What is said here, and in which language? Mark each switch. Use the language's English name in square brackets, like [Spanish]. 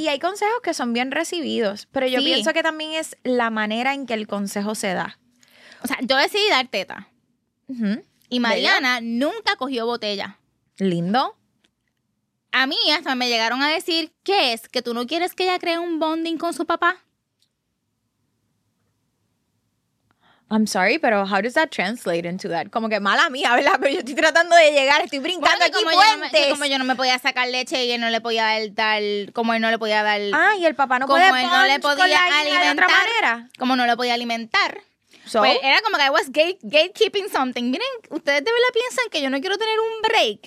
[Spanish] Y hay consejos que son bien recibidos. Pero yo pienso que también es la manera en que el consejo se da. O sea, yo decidí dar teta. Uh-huh. Y Mariana nunca cogió botella. Lindo. A mí hasta me llegaron a decir, ¿qué es? ¿Que tú no quieres que ella cree un bonding con su papá? [English] I'm sorry, pero how does that translate into that? [Spanish] Como que mala mía, ¿verdad? Pero yo estoy tratando de llegar, estoy brincando bueno, aquí como puentes. Yo no me, como yo no me podía sacar leche y él no le podía dar, como él no le podía dar... Ah, y el papá no puede como él no le podía alimentar. De otra manera. Como no lo podía alimentar. So, pues era como que [English] I was gatekeeping something. [Spanish] Miren, ustedes de verdad piensan que yo no quiero tener un break.